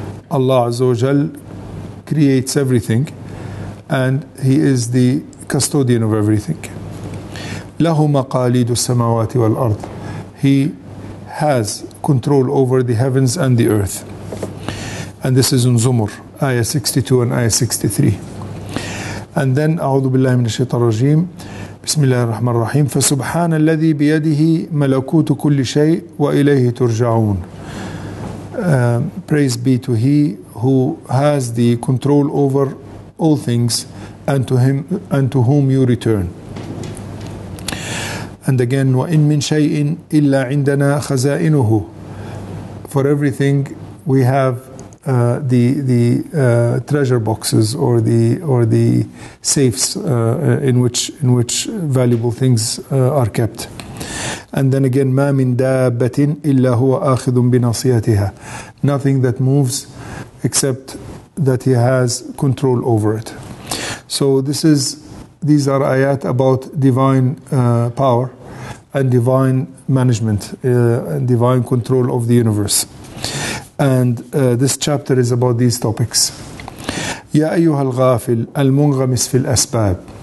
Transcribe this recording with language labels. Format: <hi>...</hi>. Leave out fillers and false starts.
<en>Allah azza wa jal creates everything and he is the custodian of everything.</en> <ar>Lahu maqalidu samawati wal ard.</ar> <en>He has control over the heavens and the earth. And this is in Zumur, Ayah 62 and Ayah 63. And then,</en> <ar>أعوذ بالله من الشيطان الرجيم. بسم الله الرحمن الرحيم. فسبحان الذي بيده ملكوت كل شيء وإليه ترجعون.</ar> <en>Praise be to He who has the control over all things, and to Him and to whom you return. And again,</en> <ar>وإن من شيء إلا عندنا خزائنه.</ar> <en>For everything we have the treasure boxes or the safes in which valuable things are kept.</en> <ar>And then again, ما من دابة إلا هو آخذ بناصيتها.</ar> <en>Nothing that moves except that he has control over it. So this is, these are ayat about divine power and divine management and divine control of the universe. And this chapter is about these topics.</en> <ar>Ya ayyuha al-ghafil al-munghamis fil asbab.</ar>